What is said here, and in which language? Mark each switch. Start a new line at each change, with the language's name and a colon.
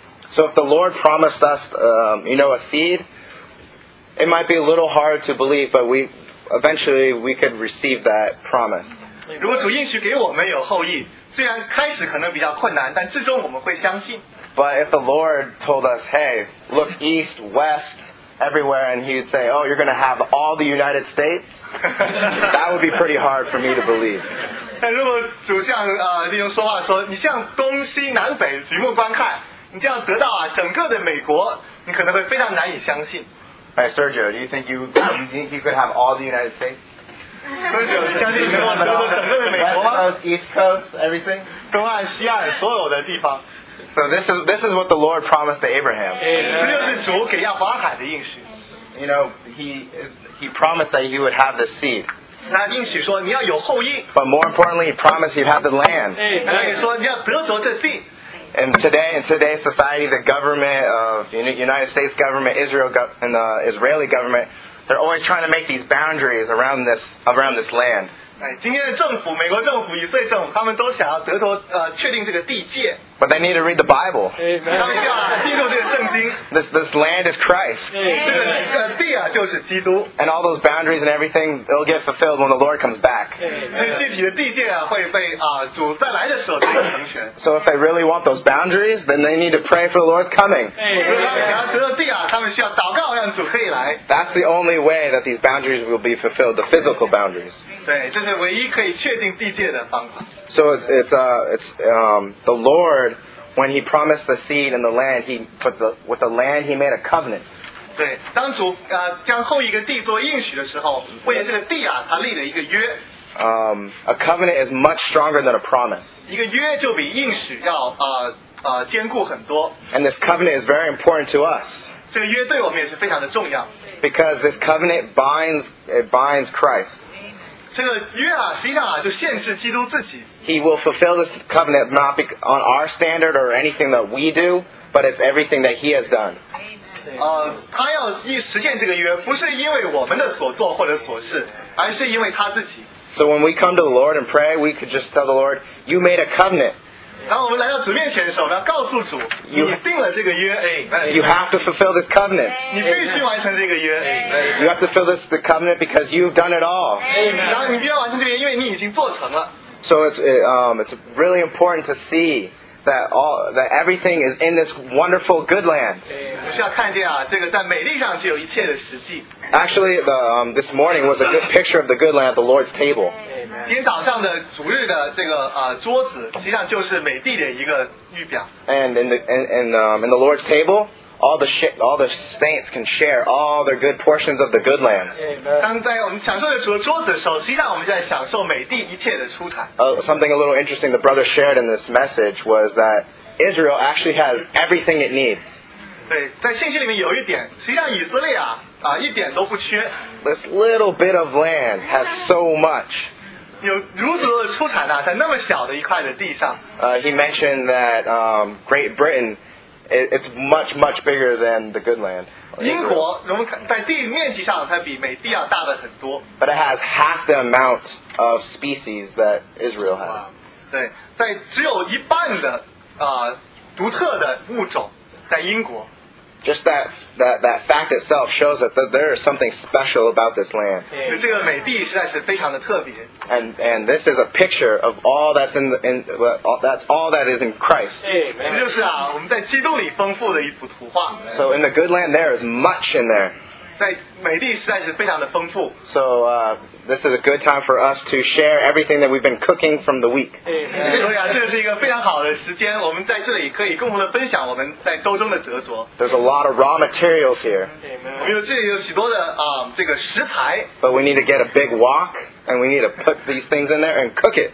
English: So if the Lord promised us, you know, a seed, it might be a little hard to believe, but eventually we could receive that promise.
Chinese: 如果主应许给我们有后裔，虽然开始可能比较困难，但最终我们会相信。
English: But if the Lord told us, hey, look east, west, everywhere, and he'd say, oh, you're going to have all the United States, that would be pretty hard for me to believe.
Chinese: 但如果主像弟兄说话说，你向东西南北举目观看，你这样得到啊整个的美国，你可能会非常难以相信。
English: Hey, Sergio, do you think you could have all the United States?
Chinese: Sergio, 你相信你能够得到整个的美国吗？
English: West Coast, East Coast, everything?
Chinese: 东岸、西岸所有的地方。
English: So this is what the Lord promised to Abraham. You know, he promised that you would have the seed.
Chinese: 那应许说你要有后裔。
English: But more importantly, he promised you'd have the land.
Chinese: 那你说你要得着这地。
English: And today, in today's society, the government of United States government, Israel and the Israeli government, they're always trying to make these boundaries around this land.
Chinese: 今天的政府，美国政府、以色列政府，他们都想要得到确定这个地界。
English: But they need to read the Bible.
Chinese: 他们需要进入这个圣经。
English: This land is Christ.
Chinese: 这个地啊，就是基督。
English: And all those boundaries and everything, it'll get fulfilled when the Lord comes back.
Chinese: 这具体的地界啊，会被主再来的时候才能成全。
English: So if they really want those boundaries, then they need to pray for the Lord coming.
Chinese: 如果他们想要得到地啊，他们需要祷告让主可以来。
English: That's the only way that these boundaries will be fulfilled, the physical boundaries.
Chinese: 对，这是唯一可以确定地界的方法。
English: So it's the Lord, when he promised the seed and the land, he put with the land he made a covenant.
Chinese: 对，当主将后一个地作应许的时候，为这个地啊，他立了一个约。
English: A covenant is much stronger than a promise.
Chinese: 一个约就比应许要坚固很多。
English: And this covenant is very important to us.
Chinese: 这个约对我们也是非常的重要。
English: Because this covenant binds Christ. He will fulfill this covenant not on our standard or anything that we do, but it's everything that he has done.
Chinese: 他要实现这个约，不是因为我们的所做或者所事，而是因为他自己。
English: So when we come to the Lord and pray, we could just tell the Lord, you made a covenant.
Chinese: 当我们来到主面前的时候，我们要告诉主，你定了这个约。
English: You have to fulfill this covenant.
Chinese: 你必须完成这个约。
English: You have to fulfill this the covenant because you've done it all.
Chinese: 然后你必须完成这个约，因为你已经做成了。
English: So it's really important to see that everything is in this wonderful good land.
Chinese: 我需要看见啊，这个在美丽上是有一切的实际。
English: Actually, this morning was a good picture of the good land at the Lord's table.
Chinese: 今天早上的主日的这个桌子，实际上就是美地的一个预表。
English: And in the Lord's table, all the saints can share all their good portions of the good land.
Chinese: 当在我们享受主的桌子的时候，实际上我们在享受美地一切的出产。
English: Something a little interesting the brother shared in this message was that Israel actually has everything it needs.
Chinese: 对，在信息里面有一点，实际上以色列啊。一点都不缺。
English: This little bit of land has so much.
Chinese: 有如此的出产啊，在那么小的一块的地上。
English: He mentioned that Great Britain, it's much much bigger than the good land.
Chinese: 英国，我们在地面积上，它比美地要大的很多。
English: But it has half the amount of species that Israel has.
Chinese: 对，在只有一半的独特的物种在英国。
English: Just that fact itself shows us that there is something special about this land. And this is a picture of all that's that is in Christ. Amen. So in the good land there is much in there. So this is a good time for us to share everything that we've been cooking from the week.
Chinese: 所以啊，这是一个非常好的时间，我们在这里可以共同的分享我们在周中的得着。
English: There's a lot of raw materials here.
Chinese: 我们这里有许多的这个食材。
English: But we need to get a big wok and we need to put these things in there and cook it.